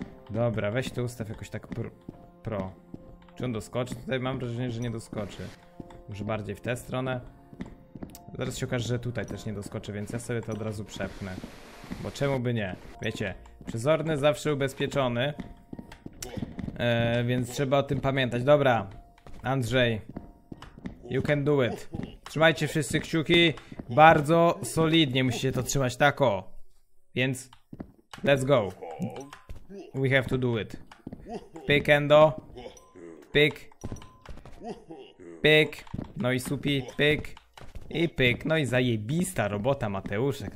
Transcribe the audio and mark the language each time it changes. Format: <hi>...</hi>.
<pl>Dobra, weź to ustaw jakoś tak pro. Czy on doskoczy? Tutaj mam wrażenie, że nie doskoczy. Może bardziej w tę stronę. Zaraz się okaże, że tutaj też nie doskoczę, więc ja sobie to od razu przepnę. Bo czemu by nie? Wiecie, przezorny zawsze ubezpieczony. Więc trzeba o tym pamiętać. Dobra, Andrzej,</pl> <en>you can do it.</en> <pl>Trzymajcie wszyscy kciuki. Bardzo solidnie musicie to trzymać, tako. Więc</pl> <en>let's go. We have to do it. Pyk, Endo. Pyk. Pyk.</en> <pl>No i supi, pyk. I pyk. No i zajebista robota, Mateuszek.</pl>